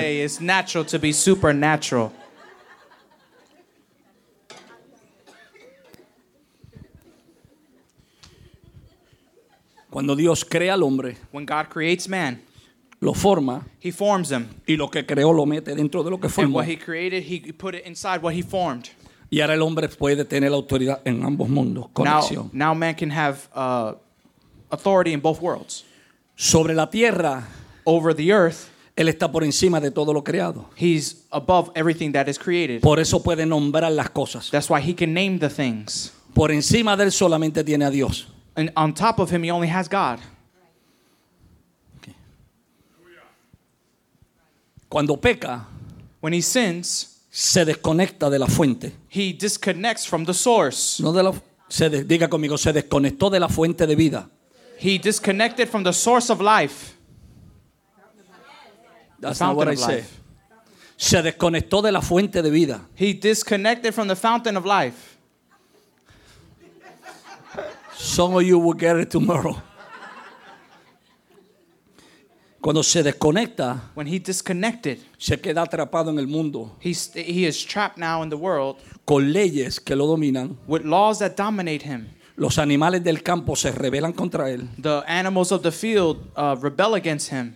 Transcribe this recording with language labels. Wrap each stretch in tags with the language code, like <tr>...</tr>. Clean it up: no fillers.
<en>Say, it's natural to be supernatural.</en> <es>Cuando Dios crea al hombre,</es> <en>when God creates man,</en> <es>lo forma,</es> <en>he forms him,</en> <es>y lo que creó lo mete dentro de lo que formó.</es> <en>And what he created, he put it inside what he formed.</en> <es>Y ahora el hombre puede tener la autoridad en ambos mundos, conexión.</es> <en>Now man can have authority in both worlds.</en> <es>Sobre la tierra,</es> <en>over the earth,</en> <es>él está por encima de todo lo creado.</es> <en>He's above everything that is created.</en> <es>Por eso puede nombrar las cosas.</es> <en>That's why he can name the things.</en> <es>Por encima de él solamente tiene a Dios.</es> <en>And on top of him, he only has God.</en> <es>Cuando peca,</es> <en>when he sins,</en> <es>se desconecta de la fuente.</es> <en>He disconnects from the source.</en> <es>No de la, se de, diga conmigo, se desconectó de la fuente de vida.</es> <en>He disconnected from the source of life. That's not what I say.</en> <es>Se desconectó de la fuente de vida.</es> <en>He disconnected from the fountain of life. Some of you will get it tomorrow.</en> <es>Cuando se desconecta,</es> <en>when he disconnected,</en> <es>se queda atrapado en el mundo.</es> <en>He is trapped now in the world.</en> <es>Con leyes que lo dominan.</es> <en>With laws that dominate him.</en> <es>Los animales del campo se rebelan contra él.</es> <en>The animals of the field rebel against him.</en>